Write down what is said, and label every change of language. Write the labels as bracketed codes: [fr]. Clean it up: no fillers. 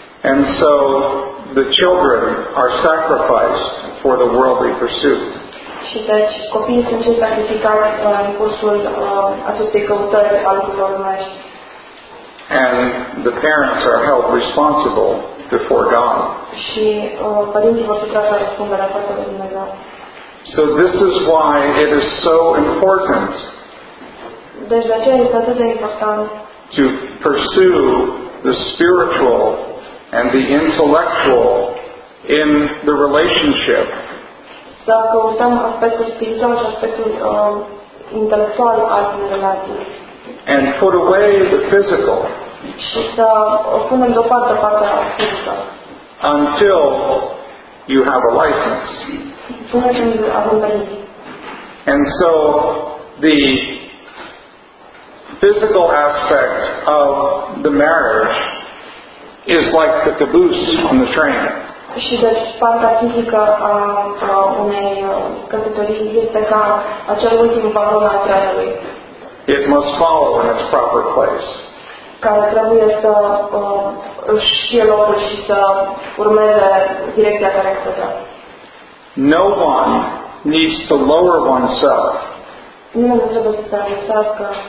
[en] And so the children are sacrificed for the worldly pursuit. [ro] Și deci copiii sunt cei sacrificați în cursul acestei căutări al lucrurilor lumești. [en] And the parents are held responsible before God. [ro] Și părinții vor fi trași la răspundere față de Dumnezeu. [en] So this is why it is so important. [ro] Deci de aceea este atât de important. [en] To pursue the spiritual and the intellectual in the relationship. [ro] Să căutăm aspectul spiritual și aspectul intelectual al relației. [en] And put away the physical. [ro] Și să o punem deoparte partea fizică. [en] Until you have a license. [ro] Până când avem permis. [en] And so the physical aspect of the marriage is like the caboose on the train. [ro] Și deci partea fizică a unei căsătorii este ca acel ultim vagon al trenului. [en] It must follow in its proper place. [ro] Care trebuie să știe locul și să urmeze direcția corectă. [en] No one needs to lower oneself. [ro] Nimeni nu trebuie să se lăsească.